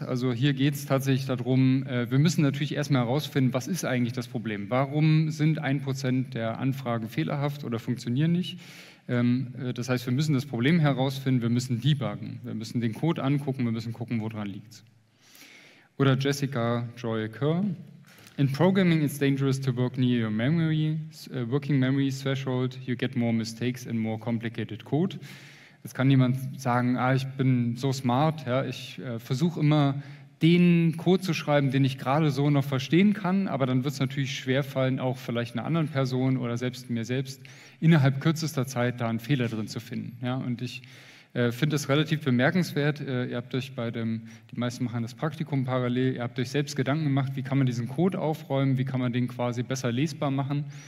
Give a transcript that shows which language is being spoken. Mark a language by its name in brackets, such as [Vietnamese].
[German] Also hier geht es tatsächlich darum, wir müssen natürlich erstmal herausfinden, was ist eigentlich das Problem? Warum sind 1% der Anfragen fehlerhaft oder funktionieren nicht? Das heißt, wir müssen das Problem herausfinden, wir müssen debuggen, wir müssen den Code angucken, wir müssen gucken, woran liegt es. Oder [English] Jessica Joy Kerr, in programming it's dangerous to work near your memory, working memory threshold, you get more mistakes and more complicated code. [German] Jetzt kann jemand sagen, ah, ich bin so smart, ja, ich versuche immer den Code zu schreiben, den ich gerade so noch verstehen kann, aber dann wird es natürlich schwer fallen, auch vielleicht einer anderen Person oder selbst mir selbst innerhalb kürzester Zeit da einen Fehler drin zu finden. Ja, und ich finde das relativ bemerkenswert. Ihr habt euch die meisten machen das Praktikum parallel, ihr habt euch selbst Gedanken gemacht, wie kann man diesen Code aufräumen, wie kann man den quasi besser lesbar machen.